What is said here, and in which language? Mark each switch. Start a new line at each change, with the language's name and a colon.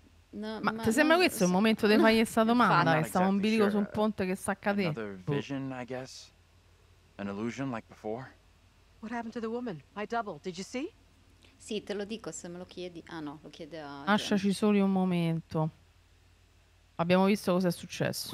Italian: No, ma ti sembra no, questo il momento di fargli questa domanda? Che stavo un bilico su un ponte che sta cadendo.
English: Another vision, I guess. An illusion like before. What happened to the woman? My double, did you see?
Italian: Sì, te lo dico se me lo chiedi. Ah no, lo chiede a... Lasciaci solo un momento. Abbiamo visto cosa è successo.